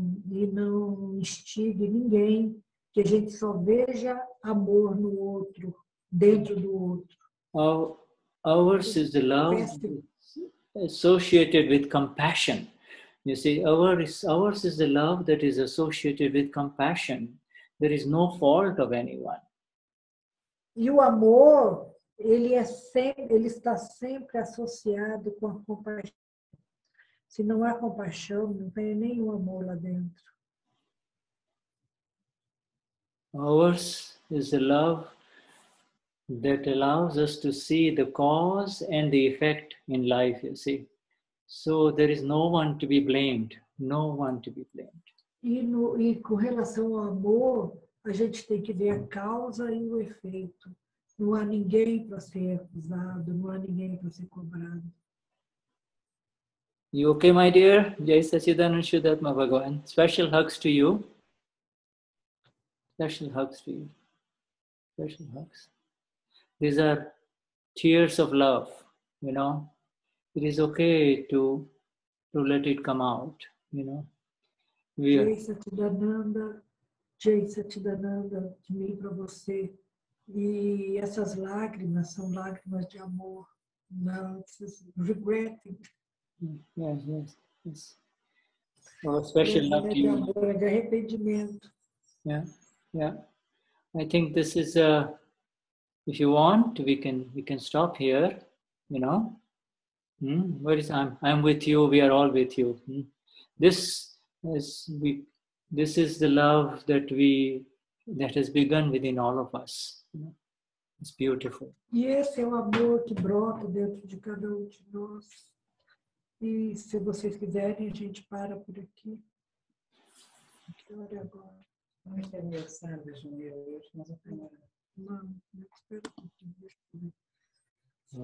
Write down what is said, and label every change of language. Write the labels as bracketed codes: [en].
[pt] E não instigue ninguém, que a gente só veja amor no outro, dentro do outro. [en] Ours is the love associated with compassion. You see, ours is the love that is associated with compassion. There is no fault of anyone. [pt] E o amor, ele está sempre associado com a compaixão. Se não há compaixão, não tem nenhum amor lá dentro. [en] Ours is a love that allows us to see the cause and the effect in life, you see. So there is no one to be blamed. No one to be blamed. [pt] E com relação ao amor, a gente tem que ver a causa e o efeito. Não há ninguém para ser acusado, não há ninguém para ser cobrado. [en] You okay, my dear? Jai Sachidana Shudhatma Bhagavan. Special hugs to you. Special hugs to you. Special hugs. These are tears of love, you know. It is okay to let it come out, you know. [pt] Jai Sachidananda, Jai Sachidananda, de mim para você. E essas lágrimas são lágrimas de amor. [en] Não, it's regretting. Yes. Our special love to you. Yeah. I think this is if you want, we can stop here, you know. Where is I'm with you, we are all with you. This is the love that has begun within all of us. It's beautiful. [pt] Yes, é o amor que brota dentro de cada de nós. E se vocês quiserem, a gente para por aqui. Que hora é agora? Não é aniversário de janeiro hoje, mas é primeiro. Não, espero que eu tenha.